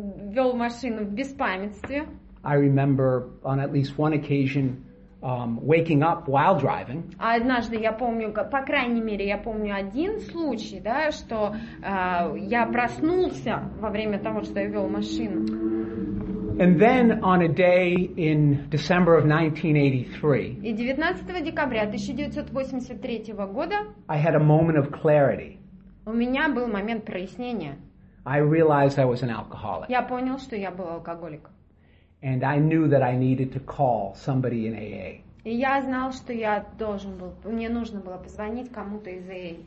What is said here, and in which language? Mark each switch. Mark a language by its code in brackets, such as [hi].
[ru] Вел машину в беспамятстве. [en] I remember on at least one occasion waking up while driving. [ru] Однажды я помню, по крайней мере, я помню один случай, да, что я проснулся во время того, что я вел машину. [en] And then on a day in December of 1983. [ru] И 19 декабря 1983 года. [en] I had a moment of clarity. [ru] У меня был момент прояснения. [en] I realized I was an alcoholic. [ru] Я понял, что я был алкоголик. [en] And I knew that I needed to call somebody in AA. [ru] И я знал, что я должен был, мне нужно было позвонить кому-то из AA.